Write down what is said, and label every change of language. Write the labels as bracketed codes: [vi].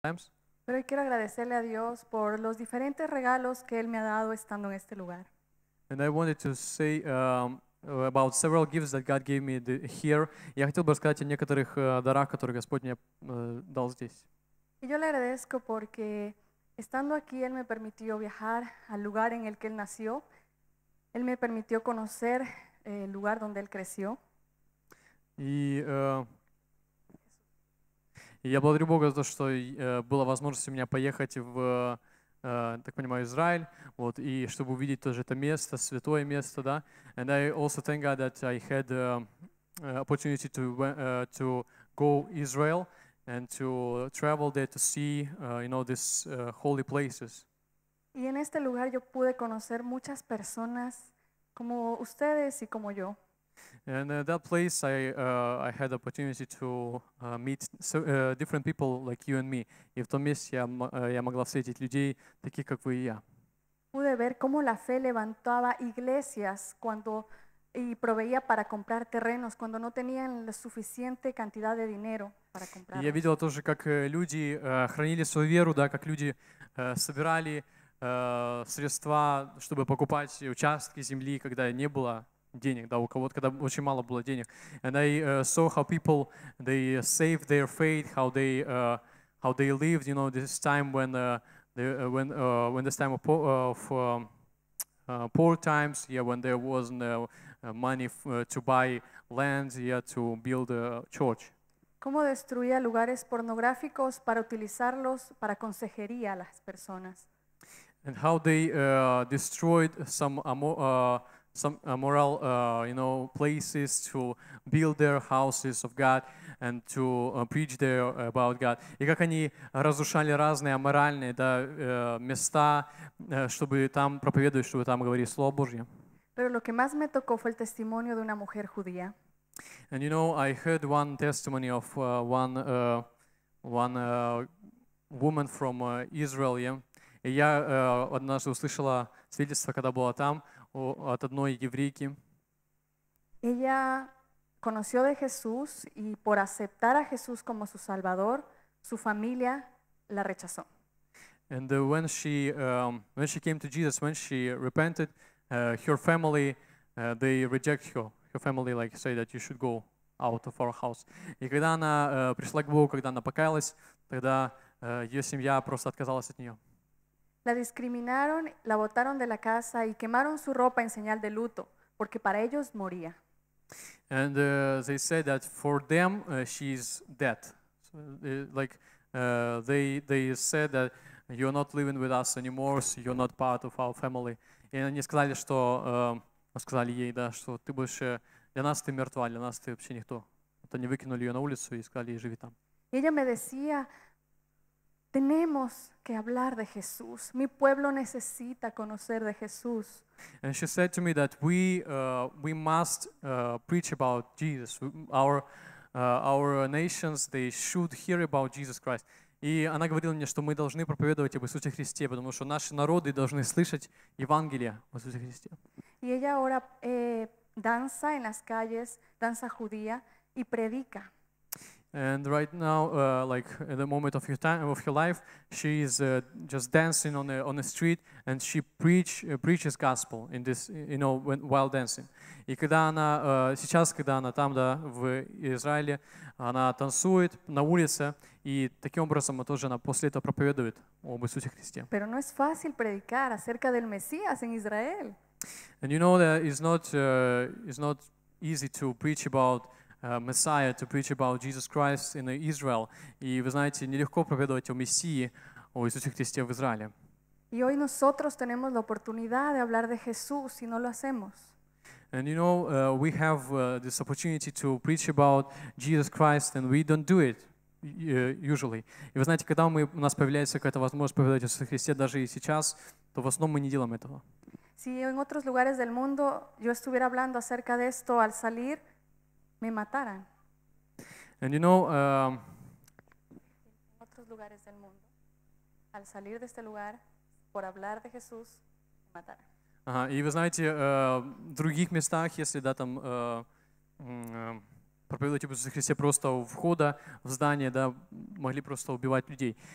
[es] Pero quiero agradecerle a Dios por los diferentes regalos que Él me ha dado estando en este lugar. [en] And I wanted to say about several gifts that God gave me here. [ru] Я хотел бы рассказать о некоторых дарах, которые Господь мне дал здесь. [es] Y yo le agradezco porque estando aquí Él me permitió viajar al lugar en el que Él nació. Él me permitió conocer el lugar donde Él creció. [ru] И я благодарю Бога за то, что была возможность у меня поехать в, так понимаю, Израиль, вот, и чтобы увидеть тоже это место, святое место, да. [en] And I also thank God that I had opportunity to go Israel and to travel there to see, you know, these holy places. [es] Y en este lugar yo pude conocer muchas personas como ustedes y como yo. [en] And at that place, I had the opportunity to meet different people like you and me. [ru] И в том месте я могла встретить людей, таких как вы и я. [es] Pude ver cómo la fe levantaba iglesias cuando y proveía para comprar terrenos cuando no tenían la suficiente cantidad de dinero para comprarlos. [ru] И я видела тоже, как люди хранили свою веру, да, как люди собирали средства, чтобы покупать участки земли, когда не было денег, да, у кого-то, когда очень мало было денег. [en] And I saw how people, they saved their faith, how they lived, you know, this time when when this time of poor times, yeah, when there wasn't money to buy land, yeah, to build a church. [es] ¿Cómo destruía lugares pornográficos para utilizarlos para consejería a las personas? [en] And how they destroyed some moral, you know, places to build their houses of God and to preach there about God. [ru] И как они разрушали разные аморальные, да, места, чтобы там проповедовать, чтобы там говорить Слово Божье. [es] Pero lo que más me tocó fue el testimonio de una mujer judía. [en] And you know, I heard one testimony of one woman from Israel. Yeah? [ru] И я однажды услышала свидетельство, когда была там, от одной еврейки. [es] Ella conoció de Jesús y por aceptar a Jesús como su Salvador, su familia la rechazó. [en] And when she came to Jesus, when she repented, her family they reject her. Her family like say that you should go out of our house. [ru] И когда она пришла к Богу, когда она покаялась, тогда ее семья просто отказалась от нее. [es] La discriminaron, la botaron de la casa y quemaron su ropa en señal de luto, porque para ellos moría. [en] And they said that for them she's dead. So, they said that you're not living with us anymore, so you're not part of our family. [ru] И они сказали, что сказали ей, да, что ты больше для нас ты мертва, для нас ты вообще никто. Вот они выкинули ее на улицу и сказали ей живи там. [es] Y ella me decía. Tenemos que hablar de Jesús. Mi pueblo necesita conocer de Jesús. [en] And she said to me that we must preach about Jesus. Our nations, they should hear about Jesus Christ. [ru] И она говорила мне, что мы должны проповедовать об Иисусе Христе, потому что наши народы должны слышать Евангелие о Иисусе Христе. [es] Y ella ahora danza en las calles, danza judía y predica. [en] And right now, like at the moment of her time, of her life, she is just dancing on the street, and she preaches gospel in this, you know, when, while dancing. [ru] И когда она сейчас, когда она там, да, в Израиле, она танцует на улице, и таким образом тоже она после этого проповедует об Иисусе Христе. [es] Pero no es fácil predicar acerca del Mesías en Israel. [en] And you know that it's not easy to preach about Messiah, to preach about Jesus Christ in Israel. [ru] И вы знаете, нелегко проповедовать о Мессии, о Иисусе Христе в Израиле. [es] Y hoy nosotros tenemos la oportunidad de hablar de Jesús y no lo hacemos. [en] And you know, we have this opportunity to preach about Jesus Christ and we don't do it usually. [ru] И вы знаете, когда у нас появляется какая-то возможность проповедовать о Иисусе Христе даже и сейчас, то в основном мы не делаем этого. [es] Si en otros lugares del mundo yo estuviera hablando acerca de esto al salir, me mataran. [en] And you know, [es] en otros lugares del mundo, al salir de este lugar, por hablar de Jesús, me mataran. [ru] И вы знаете, в других местах, если да, там, проповедовать об Иисусе Христе просто у входа в здание, да, могли просто убивать людей.